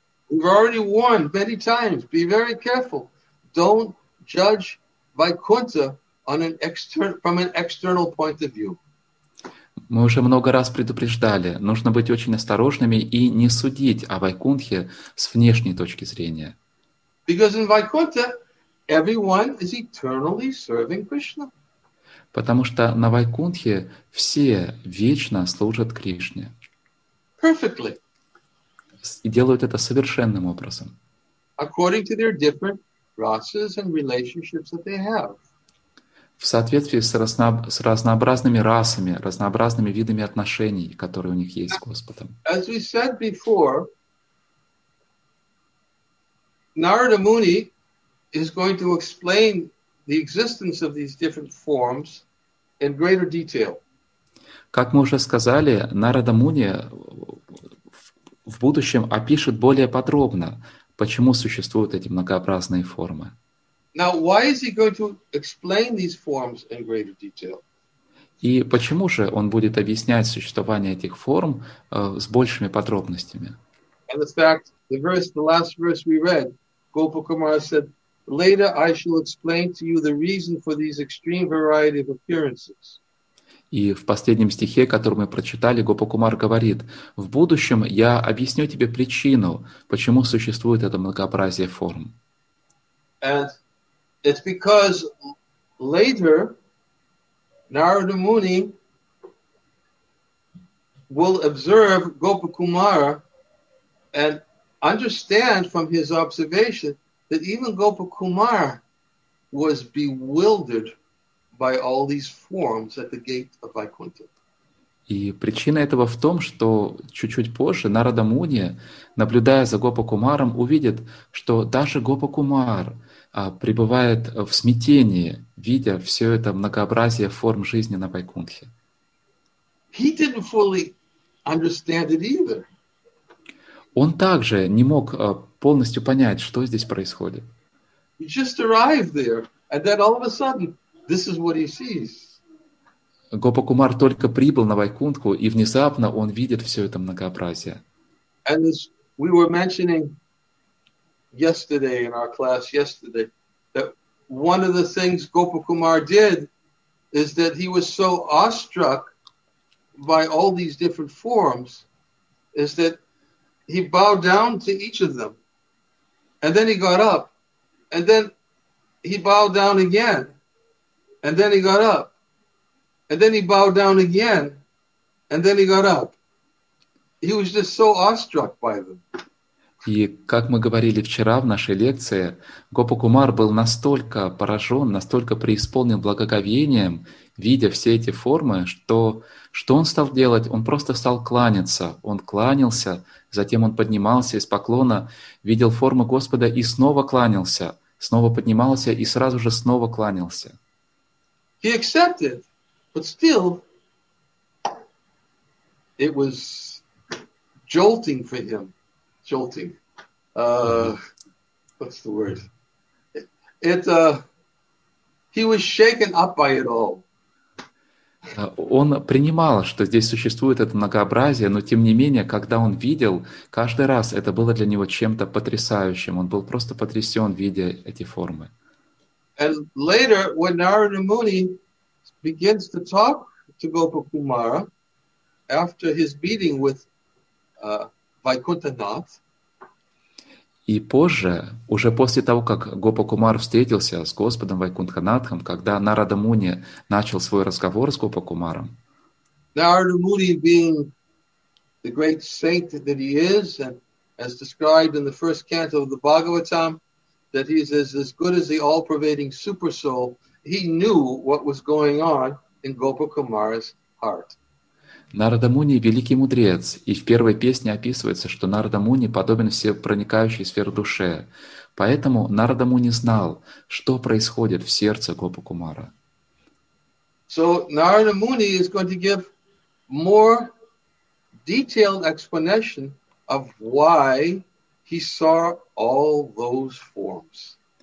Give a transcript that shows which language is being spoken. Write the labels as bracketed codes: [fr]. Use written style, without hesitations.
[en] We've already warned many times. Be very careful. Don't judge Vaikuntha on an from an external point of view. [ru] Мы уже много раз предупреждали, нужно быть очень осторожными и не судить о Вайкунтхе с внешней точки зрения. [en] Because in Vaikuntha, everyone is eternally serving Krishna. [ru] Потому что на Вайкунтхе все вечно служат Кришне. [en] Perfectly. [ru] И делают это совершенным образом. [en] According to their different rasas and relationships that they have. [ru] В соответствии с разнообразными расами, разнообразными видами отношений, которые у них есть с Господом. [en] As we said before, Narada Muni is going to explain the existence of these different forms in greater detail. [ru] Как мы уже сказали, Нарада Муни в будущем опишет более подробно, почему существуют эти многообразные формы. [en] Now, why is he going to explain these forms in greater detail? [ru] И почему же он будет объяснять существование этих форм с большими подробностями? [en] And in fact, the last verse we read, Gopa Kumara said, later I shall explain to you the reason for these extreme variety of appearances. [ru] И в последнем стихе, который мы прочитали, Гопа Кумар говорит, в будущем я объясню тебе причину, почему существует это многообразие форм. [en] And it's because later Narada Muni will observe Gopa Kumara and understand from his observation that even Gopa Kumara was bewildered by all these forms at the gate of Vaikuntha. [ru] И причина этого в том, что чуть-чуть позже Нарада Муни, наблюдая за Гопа Кумаром, увидит, что даже Гопа Кумар пребывает в смятении, видя все это многообразие форм жизни на Вайкунтхе. [en] He didn't fully understand it either. [ru] Он также не мог полностью понять, что здесь происходит. [en] He just arrived there, and then all of a sudden, this is what he sees. [ru] Гопа Кумар только прибыл на Вайкунтху, и внезапно он видит все это многообразие. [en] And as we were mentioning yesterday in our class yesterday, that one of the things Gopa Kumar did is that he was so awestruck by all these different forms, is that he bowed down to each of them. And then he got up. And then he bowed down again. And then he got up. And then he bowed down again, and then he got up. He was just so awestruck by them. [ru] И как мы говорили вчера в нашей лекции, Гопа Кумар был настолько поражен, настолько преисполнен благоговением, видя все эти формы, что он стал делать? Он просто стал кланяться. Он кланялся, затем он поднимался из поклона, видел формы Господа и снова кланялся, снова поднимался и сразу же снова кланялся. [en] He accepted. But still, it was jolting for him. Jolting. What's the word? He was shaken up by it all. [ru] Он принимал, что здесь существует это многообразие, но тем не менее, когда он видел, каждый раз это было для него чем-то потрясающим. Он был просто потрясен, видя эти формы. [en] And later, when Narada Muni begins to talk to Gopa Kumara after his meeting with Vaikunthanath. [ru] И позже, уже после того, как Гопа Кумар встретился с Господом Вайкунтханатхом, когда Нарада Муни начал свой разговор с Гопа Кумаром. [en] Нарада Муни, being the great saint that he is, and as described in the first canto of the Bhagavatam, that he is as good as the all-pervading super soul, he knew what was going on in Gopa Kumara's heart. [ru] Нарада Муни – великий мудрец, и в первой песне описывается, что Нарада Муни подобен всепроникающей сфере души. Поэтому Нарада Муни знал, что происходит в сердце Гопа Кумара. [en] So Narada Muni is going to give more detailed explanation of why he saw all those forms.